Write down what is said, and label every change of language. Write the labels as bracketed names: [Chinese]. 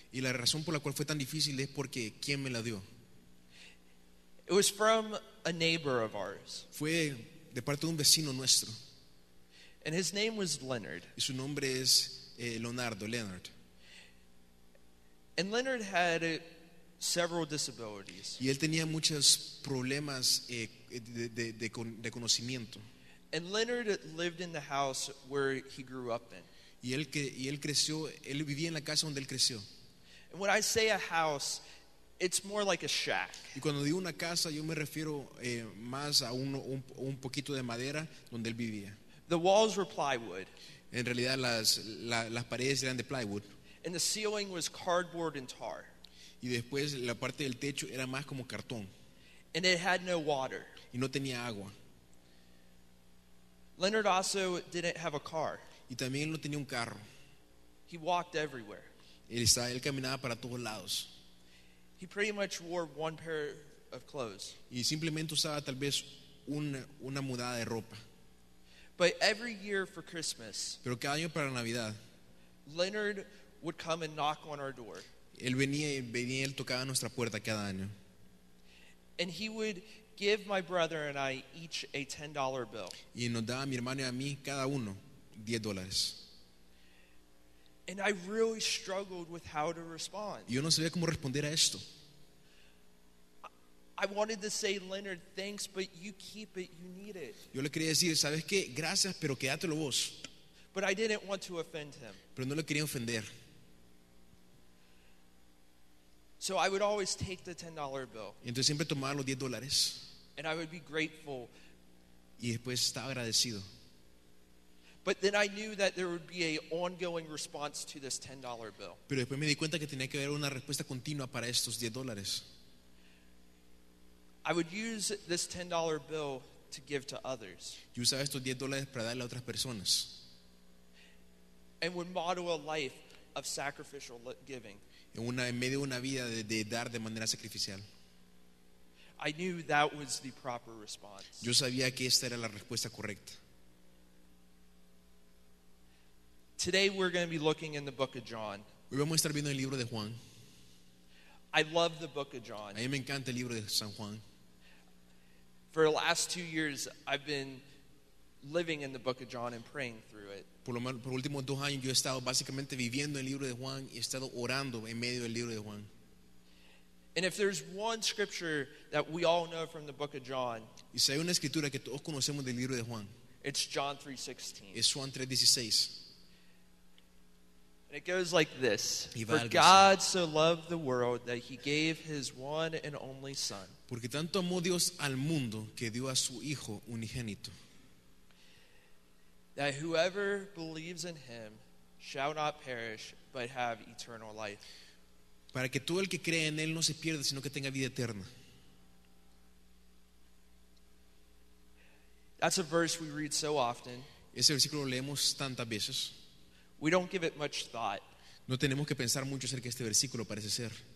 [Spanish] Y la razón por la cual fue tan difícil es porque quién me la dio. [English] It was from a neighbor of ours. [Spanish] Fue de parte de un vecino nuestro. [English] And his name was Leonard. [Spanish] Y su nombre es Leonard. [English] And Leonard had several disabilities. [Spanish] Y él tenía muchos problemas de conocimiento. [English] And Leonard lived in the house where he grew up in. [Spanish] Y él vivía en la casa donde él creció. [English] And when I say a house, it's more like a shack. [Spanish] Y cuando digo una casa, yo me refiero más a un poquito de madera donde él vivía. [English] The walls were plywood. [Spanish] En realidad las paredes eran de plywood. [English] And the ceiling was cardboard and tar. [Spanish] Y después la parte del techo era más como cartón. [English] And it had no water. [Spanish] Y no tenía agua. [English] Leonard also didn't have a car. [Spanish] Y también no tenía un carro. [English] He walked everywhere. [Spanish] Él caminaba para todos lados. [English] He pretty much wore one pair of clothes. [Spanish] Y simplemente usaba tal vez una mudada de ropa. [English] But every year for Christmas, [Spanish] pero cada año para Navidad, [English] Leonard would come and knock on our door. [Spanish] Él venía y él tocaba nuestra puerta cada año. [English] And he would give my brother and I each a $10 bill. [Spanish] Y nos daba a mi hermano y a mí cada uno $10. [English] And I really struggled with how to respond. [Spanish] Yo no sabía cómo responder a esto. [English] I wanted to say, "Leonard, thanks, but you keep it. You need it." [Spanish] Yo le quería decir, ¿sabes qué? Gracias, pero quédatelo vos. [English] But I didn't want to offend him. [Spanish] Pero no lo quería ofender. [English] So I would always take the $10 bill. [Spanish] Entonces siempre tomaba los $10. [English] And I would be grateful. [Spanish] Y después estaba agradecido. [English] But then I knew that there would be an ongoing response to this $10 bill. [Spanish] Pero después me di cuenta que tenía que haber una respuesta continua para estos $10. [English] I would use this $10 bill to give to others. [Spanish] Yo usaba estos $10 para darle a otras personas. [English] And would model a life of sacrificial giving. [Spanish] En medio de una vida de dar de manera sacrificial. [English] I knew that was the proper response. [Spanish] Yo sabía que esta era la respuesta correcta. [English] Today we're going to be looking in the book of John. [Spanish] Hoy vamos a estar viendo el libro de Juan. [English] I love the book of John. [Spanish] A mí me encanta el libro de San Juan. [English] For the last 2 years, I've been living in the book of John and praying through it. [Spanish] Por los últimos dos años, yo he estado básicamente viviendo el libro de Juan y he estado orando en medio del libro de Juan. [English] And if there's one scripture that we all know from the book of John, [Spanish] y si hay una escritura que todos conocemos del libro de Juan, [English] it's John 3:16. [Spanish] Es Juan 3:16. [English] And it goes like this. For God so loved the world that he gave his one and only son. [Spanish] Porque tanto amó Dios al mundo que dio a su hijo unigénito. [English] That whoever believes in him shall not perish but have eternal life. [Spanish] Para que todo el que cree en él no se pierda sino que tenga vida eterna. [English] That's a verse we read so often. [Spanish] Ese versículo lo leemos tantas veces. [English] We don't give it much thought. [Spanish] No tenemos que pensar mucho acerca de este versículo, parece ser.